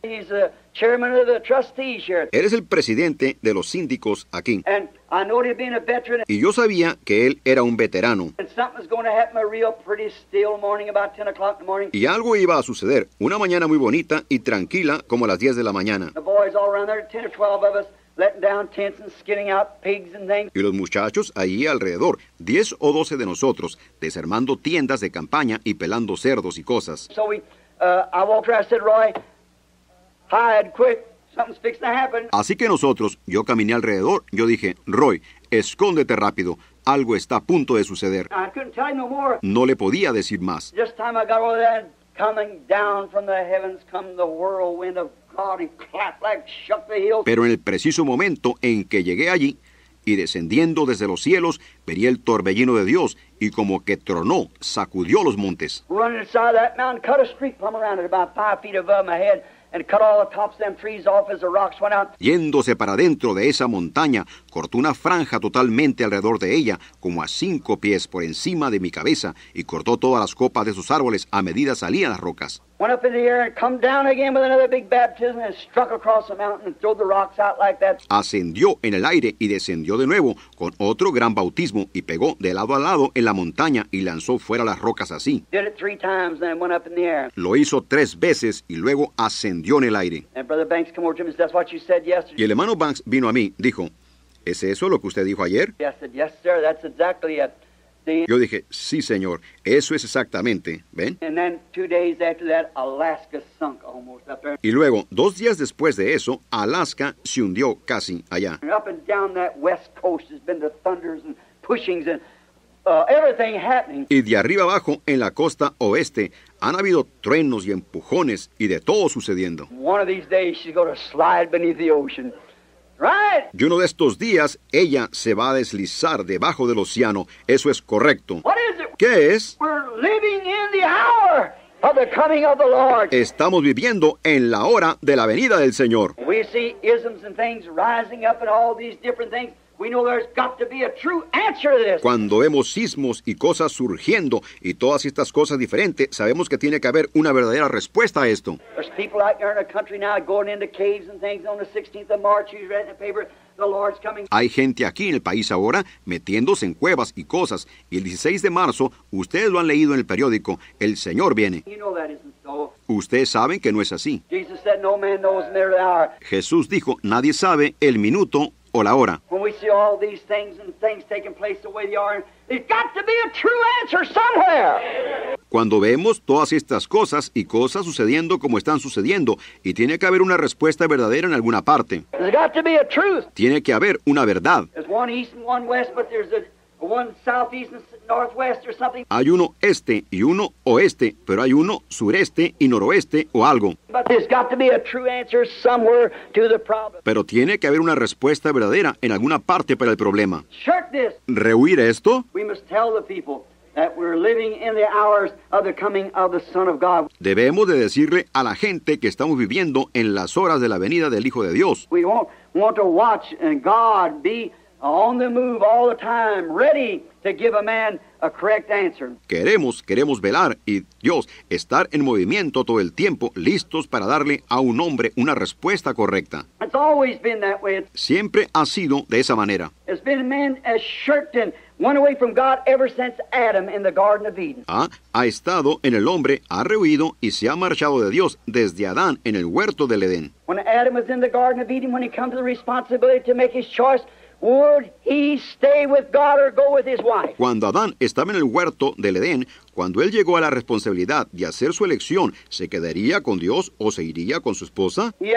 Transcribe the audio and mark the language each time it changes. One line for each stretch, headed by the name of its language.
English: He's the chairman of the trustees here.
Spanish: Él es el presidente de los síndicos aquí.
English: And I know he'd been a veteran.
Spanish: Y yo sabía que él era un veterano.
English: And something's going to happen a real pretty still morning about 10 o'clock in the morning.
Spanish: Y algo iba a suceder, una mañana muy bonita y tranquila como a las 10 de la mañana.
English: The boys all around there, 10 or 12 of us. Letting down tents and skinning out pigs and things.
Spanish: Y los muchachos ahí alrededor, 10 o 12 de nosotros, desarmando tiendas de campaña y pelando cerdos y cosas.
English: So I walked around and said, Roy, hide, quick, something's fixing to happen.
Spanish: Así que nosotros, yo caminé alrededor, yo dije, Roy, escóndete rápido, algo está a punto de suceder.
English: I couldn't tell you no more.
Spanish: No le podía decir más.
English: Just time I got over there, coming down from the heavens come the whirlwind of God, he clapped like shook the hills.
Spanish: Pero en el preciso momento en que llegué allí y descendiendo desde los cielos, vi el torbellino de Dios y como que tronó, sacudió los montes.
English: Running inside that mountain, cut a street plumb around it about 5 feet above my head and cut all the tops of them trees off as the rocks went out.
Spanish: Yéndose para dentro de esa montaña, cortó una franja totalmente alrededor de ella, como a 5 pies por encima de mi cabeza, y cortó todas las copas de sus árboles a medida salían las rocas.
English: Went up in the air and come down again with another big baptism and struck across the mountain and threw the rocks out like that.
Spanish: Ascendió en el aire y descendió de nuevo con otro gran bautismo y pegó de lado a lado en la montaña y lanzó fuera las rocas así.
English: Did it 3 times and then went up in the air.
Spanish: Lo hizo 3 veces y luego ascendió en el aire.
English: And Brother Banks came over to me and said, that's what you said yesterday.
Spanish: Y el hermano Banks vino a mí, dijo, ¿es eso lo que usted dijo ayer?
English: I said, yes, sir, that's exactly it.
Spanish: Yo dije, sí, señor, eso es exactamente, ¿ven?
English: And then 2 days after that, Alaska sunk almost up there.
Spanish: Y luego, 2 días después de eso, Alaska se hundió casi allá.
English: And up and down that west coast has been the thunders and pushings and Everything happening.
Spanish: Y de arriba abajo, en la costa oeste, han habido truenos y empujones y de todo sucediendo.
English: One of these days she's going to slide beneath the ocean. Right.
Spanish: Y uno de estos días, ella se va a deslizar debajo del océano. Eso es correcto.
English: What is it?
Spanish: ¿Qué es?
English: We're living in the hour of the coming of the Lord.
Spanish: Estamos viviendo en la hora de la venida del Señor.
English: We see isms and things rising up and all these different things. We know there's got to be a true answer to this.
Spanish: Cuando vemos sismos y cosas surgiendo y todas estas cosas diferentes, sabemos que tiene que haber una verdadera respuesta a esto.
English: There's people out there in the country now going into caves and things on the 16th of March. He's reading the paper. The Lord's coming.
Spanish: Hay gente aquí en el país ahora metiéndose en cuevas y cosas. Y el 16 de marzo, ustedes lo han leído en el periódico, el Señor viene.
English: You know that isn't so.
Spanish: Ustedes saben que no es así.
English: Jesus said, no man knows near the hour.
Spanish: Jesús dijo, nadie sabe el minuto o la hora.
English: When we see all these things and things taking place the way they are, there's got to be a true answer somewhere.
Spanish: Cuando vemos todas estas cosas y cosas sucediendo como están sucediendo, y tiene que haber una respuesta verdadera en alguna parte.
English: There's got to be a truth.
Spanish: Tiene que haber una verdad.
English: There's one east and one west, but there's one southeast and northwest or something.
Spanish: Hay uno este y uno oeste, pero hay uno sureste y noroeste o algo.
English: But there's got to be a true answer somewhere to the problem.
Spanish: Pero tiene que haber una respuesta verdadera en alguna parte para el problema.
English: Shirk this.
Spanish: Rehuir esto.
English: We must tell the people that we're living in the hours of the coming of the Son of God.
Spanish: Debemos de decirle a la gente que estamos viviendo en las horas de la venida del Hijo de Dios.
English: We won't want to watch and God be on the move all the time, ready to give a man a correct answer.
Spanish: Queremos velar y Dios estar en movimiento todo el tiempo, listos para darle a un hombre una respuesta correcta.
English: It's always been that way.
Spanish: Siempre ha sido de esa manera.
English: It's been a man as shirked and went away from God ever since Adam in the Garden of Eden.
Spanish: Ha estado en el hombre, ha rehuido y se ha marchado de Dios desde Adán en el huerto del Edén.
English: When Adam was in the Garden of Eden, when he came to the responsibility to make his choice, would he stay with God or go with his wife?
Spanish: Cuando Adán estaba en el huerto del Edén, cuando él llegó a la responsabilidad de hacer su elección, ¿se quedaría con Dios o se iría con su esposa?